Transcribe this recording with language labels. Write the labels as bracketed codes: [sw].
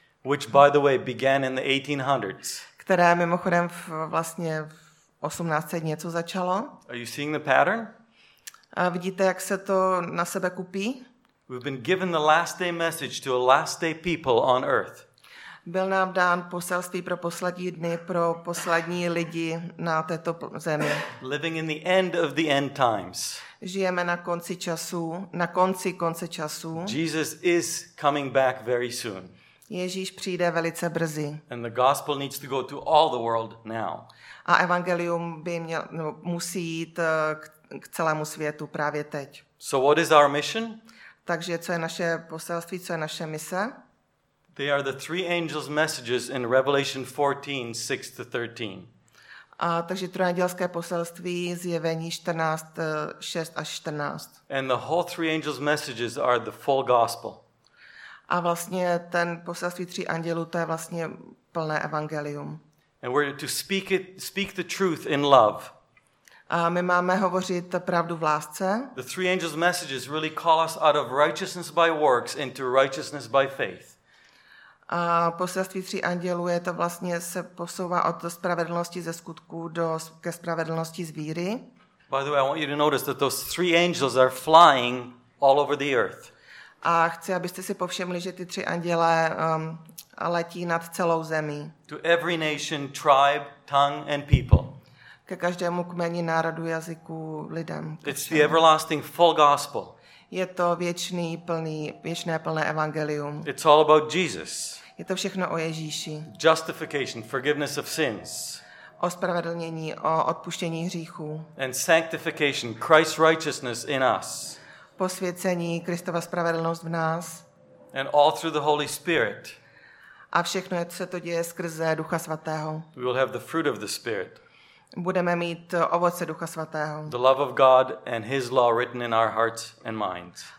[en] Which by the way began in the 1800s. [cs] Které mimochodem vlastně v 18. něco začalo. [en] Are you seeing the pattern? [cs] A vidíte, jak se to na sebe kupí? [en] We've been given the last day message to a last day people on earth. [cs] Byl nám dán poselství pro poslední dny, pro poslední lidi na této zemi. [en] Living in the end of the end times. [cs] Žijeme na konci času, na konci konce času. [en] Jesus is coming back very soon. [cs] Ježíš přijde velice brzy. [en] And the gospel needs to go to all the world now. [cs] A evangelium by měl, musí jít k celému světu právě teď. [en] So what is our mission? [cs] Takže co je naše poselství, co je naše mise? [en] They are the three angels' messages in Revelation 14:6-13. [cs] A takže trojandělské poselství zjevení 14:6-14. [en] And the whole three angels' messages are the full gospel. [cs] A vlastně ten poselství tří andělů, to je vlastně plné evangelium. [en] And we're to speak the truth in love. [cs] A my máme hovořit pravdu v lásce. [en] The three angels' messages really call us out of righteousness by works into righteousness by faith. [cs] A poselství tří andělů je to vlastně se posouvá od spravedlnosti ze skutku ke spravedlnosti z víry. [en] By the way, I want you to notice that those three angels are flying all over the earth. [cs] A chci, abyste si povšimli, že ty tři anděle letí nad celou zemí. [en] To every nation, tribe, tongue and people. [cs] Ke každému kmeni, národu, jazyku, lidem. [en] It's the everlasting full gospel. [cs] Je to věčný, plný, věčné, plné evangelium. [en] It's all about Jesus. [cs] Je to všechno o Ježíši. [en] Justification, forgiveness of sins. [cs] O spravedlnění, o odpuštění hříchů. [en] And sanctification, Christ's righteousness in us. [cs] Posvěcení, Kristova spravedlnost v nás. [en] And all through the Holy Spirit. [cs] A všechno, co se to děje skrze Ducha svatého. [en] We will have the fruit of the Spirit. [cs] Budeme mít ovoce Ducha svatého. [en] The love of God and his law written in our hearts and minds.